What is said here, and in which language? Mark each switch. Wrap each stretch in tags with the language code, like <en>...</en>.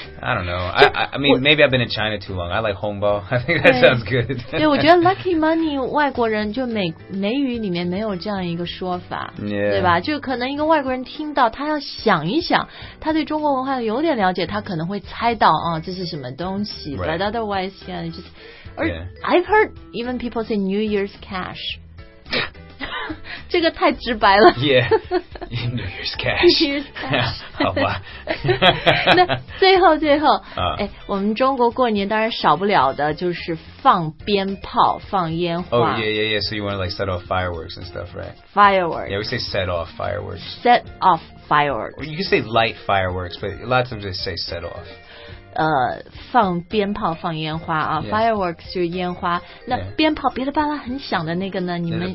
<en>I don't know. I mean, maybe I've been in China too long. I like 红包. I think that sounds good.</en> <zh>对，我觉得</zh> <en>lucky money</en> <zh>外国人就美语里面没有这样一个说法，</zh> <en>yeah.</en> <zh>对吧？就可能一个外国人听到，他要想一想，他对中国文化有点了解，他可能会猜到啊，这是什么东西。</zh> <en>Right. But otherwise, yeah, just. Or yeah. I've heard even people say New Year's cash.</en> <zh>这个太直白了。</zh> <en>Yeah, New Year's cash. New Year's cash.</en> <zh>好吧。那最后、哎，我们中国过年当然少不了的就是放鞭炮、放烟花。</zh> <en>Oh yeah, yeah, yeah. So you want to like set off fireworks and stuff, right? Fireworks. Yeah, we say set off fireworks. Set off fireworks. You can say light fireworks, but a lot of times they say set off.</en> <zh>放鞭炮、放烟花啊、fireworks 就是烟花。那鞭炮噼里啪啦很响的那个呢？你们</zh>